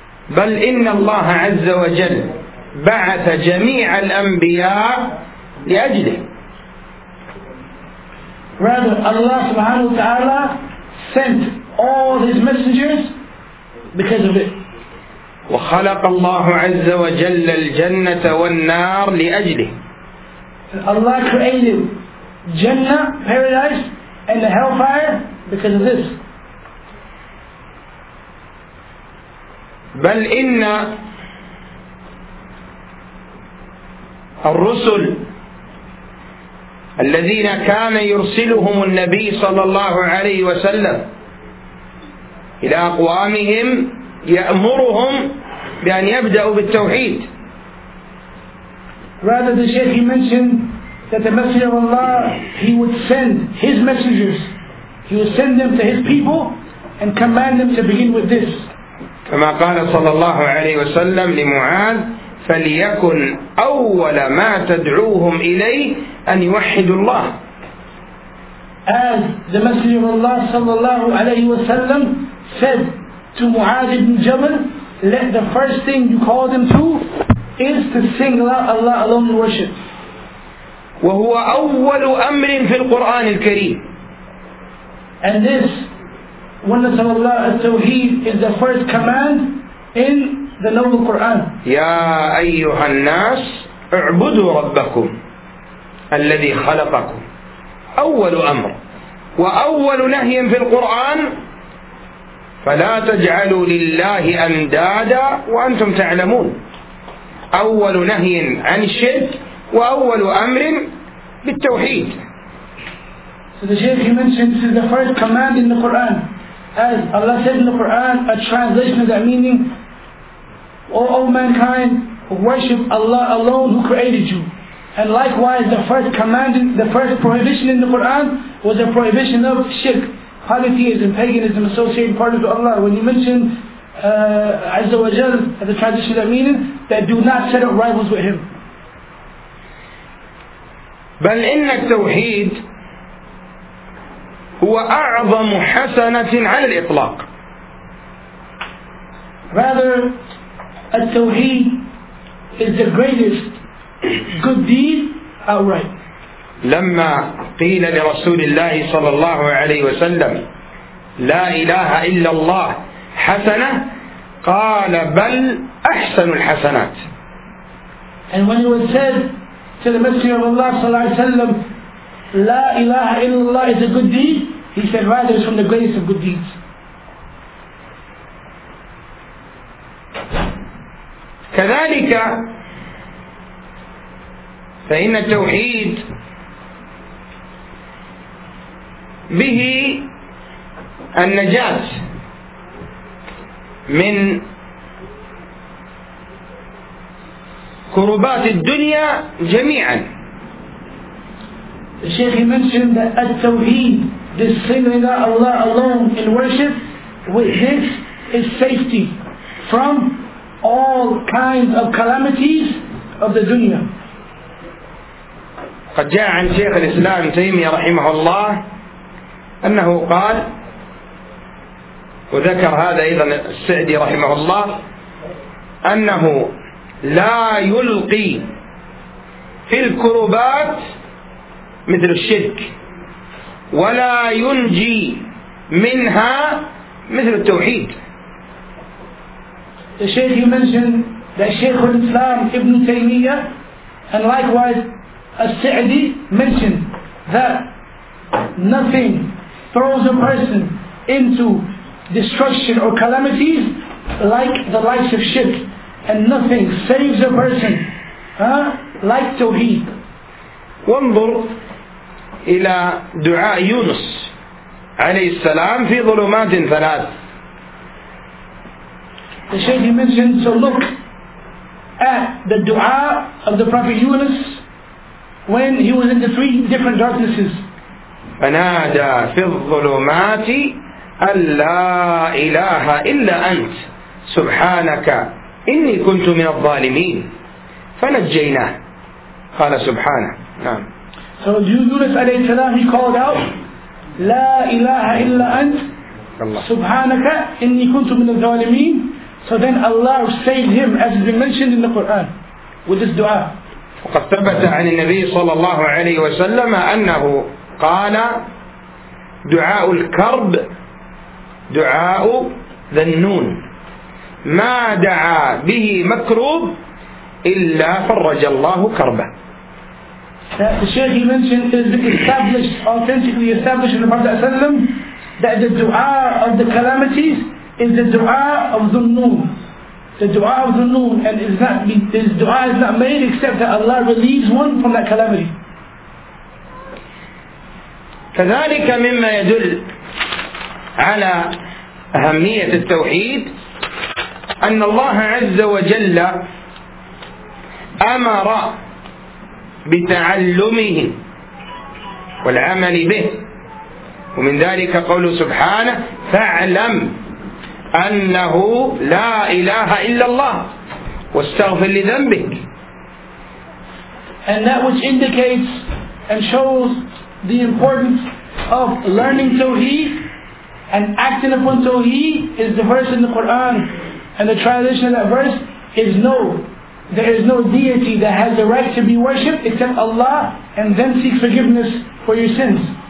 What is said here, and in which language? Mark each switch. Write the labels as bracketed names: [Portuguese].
[Arabic] بل إن الله عز وجل بعث جميع الأنبياء لأجله. [English] Rather, Allah subhanahu wa ta'ala sent all His messengers because of it. [Arabic] وخلق الله عز وجل الجنة والنار لأجله. [English] Allah created Jannah, Paradise, and the Hellfire because of this. [Arabic] بل إن الرسل الذين كان يرسلهم النبي صلى الله عليه وسلم إلى أقوامهم يأمرهم بأن يبدأوا بالتوحيد. [English] Rather, the Shaykh, he mentioned that the Messenger of Allah, he would send his messengers, he would send them to his people and command them to begin with this. [Arabic] كما قال صلى الله عليه وسلم لمعاذ فليكن أول ما تدعوهم إليه أن يوحدوا الله. [English] As the Messenger of Allah [Arabic] صلى الله عليه وسلم [English] said to Mu'adh ibn Jabal, let the first thing you call them to is to single out Allah alone and worship. [Arabic] وهو أول أمر في القرآن الكريم. [English] And this oneness of Allah, التوحيد, is the first command in the noble Quran. [Arabic] يا أيها الناس اعبدوا ربكم الذي خلقكم. أول أمر وأول نهي في القرآن فلا تجعلوا لله أندادا وأنتم تعلمون. أول نهي عن الشرك وأول أمر بالتوحيد. [English] So the Shaykh, he mentions this is the first command in the Quran. As Allah said in the Quran, a translation of that meaning, all mankind, worship Allah alone who created you. And likewise, the first command, the first prohibition in the Quran was a prohibition of shirk, polytheism, paganism, associating part of Allah. When he mentioned Azza wa Jal, as a translation of that meaning, that do not set up rivals with him. [Arabic] بل إن التوحيد هو أعظم حسنة على الإطلاق. [English] Rather, التوحيد is the greatest good deed outright. [Arabic] لما قيل لرسول الله صلى الله عليه وسلم لا إله إلا الله حسنة قال بل أحسن الحسنات. [English] And when it was said to the Messenger of Allah [Arabic] صلى الله عليه وسلم لا إله إلا الله [English] is a good deed, he said rather it's from the greatest of good deeds. [Arabic] كذلك فإن التوحيد به النجاة من كروبات الدنيا جميعا. [English] الشيخ mentioned that التوحيد, this singing out Allah alone in worship with his is safety from all kinds of calamities of the dunya. [Arabic] قد جاء عن شيخ الإسلام تيمية رحمه الله أنه قال, وذكر هذا أيضا السعدي رحمه الله, أنه لا يلقي في الكروبات مثل الشرك ولا ينجي منها مثل التوحيد. [English] The Shaykh mentioned that Shaykh al-Islam Ibn Taymiyyah and likewise al-Sa'di mentioned that nothing throws a person into destruction or calamities like the likes of shirk, and nothing saves a person like tawheed. [Arabic] وانظر إلى دعاء يونس عليه السلام في ظلمات ثلاث. [English] The Shaykh mentioned, so look at the dua of the Prophet Yunus when he was in the three different darknesses. [Arabic] فنادى في الظلمات أن لا إله إلا أنت سبحانك إني كنت من الظالمين فنجيناه قال سبحانه. [English] So Yunus [Arabic] عليه السلام, [English] he called out [Arabic] لا إله إلا أنت سبحانك إني كنت من الظالمين. [English] So then Allah saved him, as has been mentioned in the Quran, with this dua. [Arabic] وقد ثبت عن النبي صلى الله عليه وسلم أنه قال دعاء الكرب دعاء ذنون ما دعا به مكروب إلا فرج الله كربه. [English] The Shaykh mentioned it is established, authentically established in the Prophet [Arabic] صلى الله عليه وسلم, [English] that the dua of the calamities is the dua of Dhunnun. The dua of Dhunnun, and is not, this dua is not made except that Allah relieves one from that calamity. [Arabic] كذلك مما يدل على أهمية التوحيد أن الله عز وجل أمر بتعلمه والعمل به, ومن ذلك قوله سبحانه فاعلم أنه لا إله إلا الله واستغفر لذنبك. [English] And that which indicates and shows the importance of learning Tawheed and acting upon Tawheed is the verse in the Quran, and the translation of that verse is no, there is no deity that has the right to be worshipped except Allah, and then seek forgiveness for your sins.